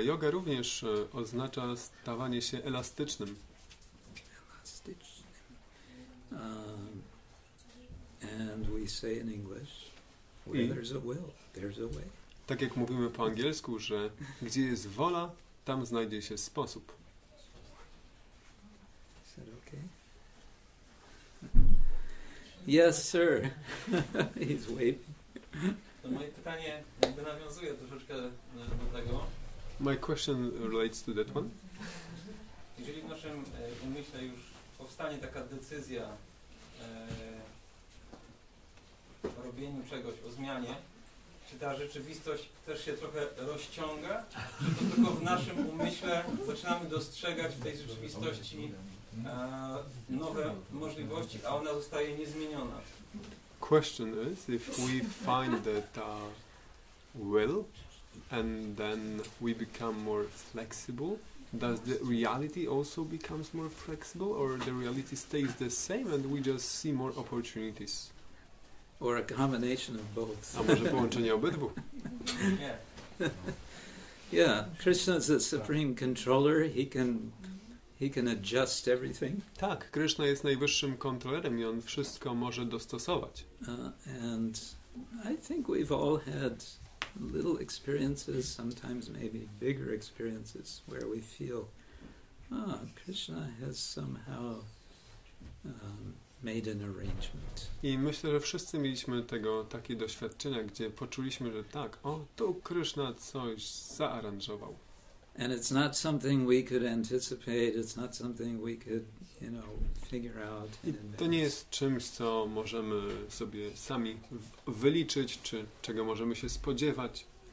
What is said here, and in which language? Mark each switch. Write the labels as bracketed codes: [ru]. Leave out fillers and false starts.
[pl] Yoga również oznacza stawanie się elastycznym. Elastycznym. [en] And we say in English, where there's a will, there's a way. [pl] Tak jak mówimy po angielsku, że gdzie jest wola, tam znajdzie się sposób. [en] Is that okay? Yes, sir. He's waving. [pl] To moje pytanie jakby nawiązuje troszeczkę do tego. [en] My question relates to that one. [pl] Jeżeli w naszym umyśle już powstanie taka decyzja o robieniu czegoś, o zmianie, czy ta rzeczywistość też się trochę rozciąga? Czy to tylko w naszym umyśle zaczynamy dostrzegać w tej rzeczywistości nowe możliwości, a ona zostaje niezmieniona? [en] Question is, if we find that will and then we become more flexible, does the reality also becomes more flexible, or the reality stays the same and we just see more opportunities? Or a combination of both. [pl] A może połączenie obydwu? [en] Yeah, Krishna is the supreme controller. He can adjust everything. [pl] Tak, Krishna jest najwyższym kontrolerem i on wszystko może dostosować. [en] And I think we've all had little experiences, sometimes maybe bigger experiences, where we feel, Krishna has somehow made an arrangement. [pl] I myślę, że wszyscy mieliśmy tego takie doświadczenia, gdzie poczuliśmy, że tak, tu Krishna coś zaaranżował. [en] And it's not something we could anticipate, it's not something we could, figure out. [pl] To nie jest czymś, co możemy sobie sami wyliczyć, czy czego możemy się spodziewać.